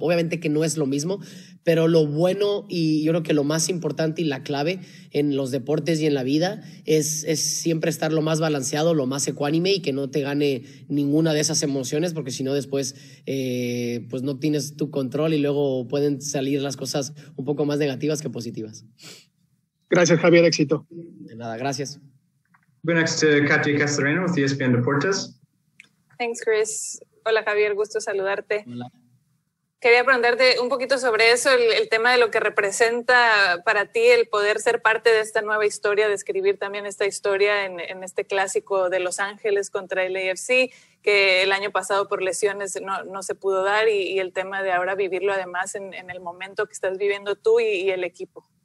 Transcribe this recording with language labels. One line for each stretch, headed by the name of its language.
Spanish: Obviamente que no es lo mismo, pero lo bueno y yo creo que lo más importante y la clave en los deportes y en la vida es siempre estar lo más balanceado, lo más ecuánime, y que no te gane ninguna de esas emociones, porque si no después pues no tienes tu control y luego pueden salir las cosas un poco más negativas que positivas. Gracias, Javier. Éxito. De nada, gracias.
English: We're next to Katia Castellano with ESPN Deportes. Thanks, Chris.
Spanish: Hola, Javier. Gusto saludarte. Hola. Quería preguntarte un poquito sobre eso, el tema de lo que representa para ti el poder ser parte de esta nueva historia, de escribir también esta historia en este clásico de Los Ángeles contra el AFC, que el año pasado por lesiones no se pudo dar, y el tema de ahora vivirlo además en el momento que estás viviendo tú y el equipo.